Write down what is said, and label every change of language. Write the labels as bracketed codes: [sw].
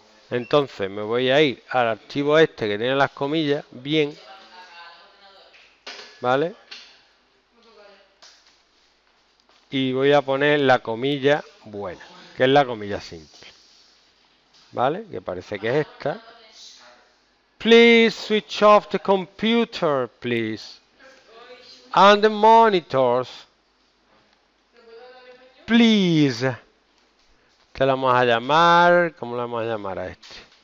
[es] Entonces, me voy a ir al archivo este que tiene las comillas, bien. ¿Vale? Y voy a poner la comilla buena, que es la comilla simple. ¿Vale? Que parece que es esta. [en] Please switch off the computer, please. And the monitors, please. [es] Te la vamos a llamar, ¿cómo la vamos a llamar a este?